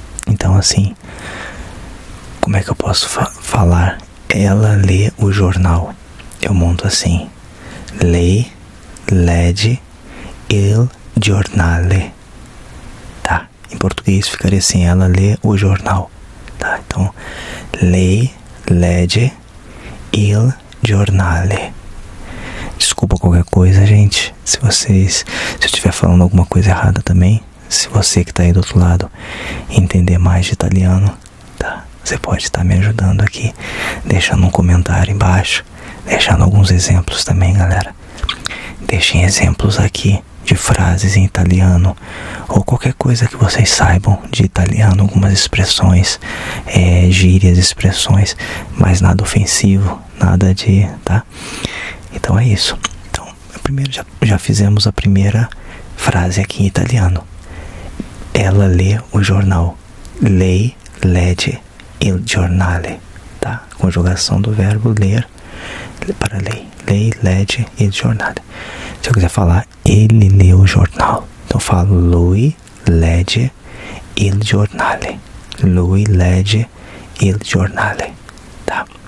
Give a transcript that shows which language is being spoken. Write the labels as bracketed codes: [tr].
[pt] Então, assim, como é que eu posso falar ela lê o jornal? Eu monto assim: [it] lei legge il giornale. [pt] Tá? Em português ficaria assim: ela lê o jornal. Tá? [it] Então, lei legge il giornale. [pt] Desculpa qualquer coisa, gente. Se eu estiver falando alguma coisa errada também, se você que está aí do outro lado entender mais de italiano, tá? Você pode estar me ajudando aqui, deixando um comentário embaixo, deixando alguns exemplos também, galera. Deixem exemplos aqui de frases em italiano ou qualquer coisa que vocês saibam de italiano, algumas expressões, gírias, expressões, mas nada ofensivo, nada de, tá? Então é isso. Então, primeiro já fizemos a primeira frase aqui em italiano. Ela lê o jornal. [it] Lei legge il giornale, tá? [pt] Conjugação do verbo ler para lei. [it] Lei legge il giornale. [pt] Se eu quiser falar, ele lê o jornal. Então eu falo [it] lui legge il giornale. Lui legge il giornale. Tá?